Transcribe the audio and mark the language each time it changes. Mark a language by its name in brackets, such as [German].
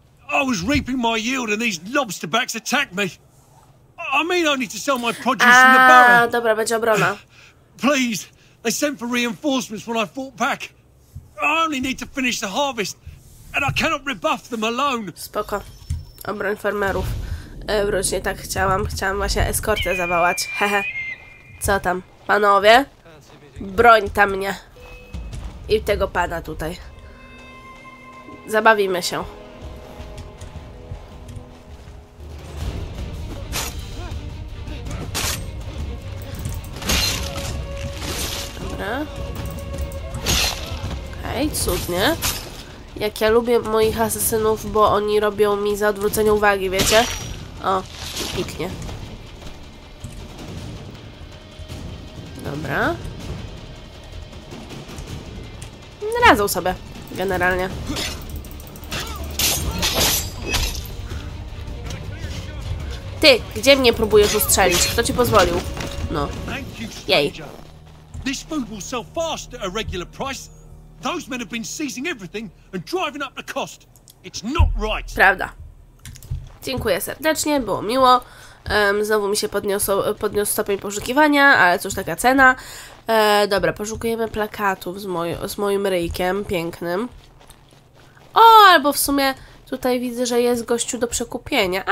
[English] I was reaping my yield and these lobsterbacks attacked me. I mean, I need to sell my produce from the barrel. [Polish] Dobra, będzie obrona. [English] Please, they sent for reinforcements when I fought back. I only need to finish the harvest and I cannot rebuff them alone. [Polish] Spoko. Obroń farmerów. Wrócznie tak chciałam. Chciałam właśnie eskortę zawołać. Hehe. Co tam? Panowie? Broń tam mnie. I tego pana tutaj. Zabawimy się. Okej, cudnie. Jak ja lubię moich asesynów, bo oni robią mi za odwrócenie uwagi, wiecie? O, piknie. Dobra. Radzą sobie, generalnie. Ty, gdzie mnie próbujesz ustrzelić? Kto ci pozwolił? No. Jej. [English] This food will sell fast at a regular price. Those men have been seizing everything and driving up the cost. It's not right. [Polish] Prawda. Dziękuję serdecznie, było miło. Znowu mi się podniósł stopień poszukiwania, ale cóż, taka cena. Dobra, poszukujemy plakatów z moim ryjkiem pięknym. O, albo w sumie tutaj widzę, że jest gościu do przekupienia.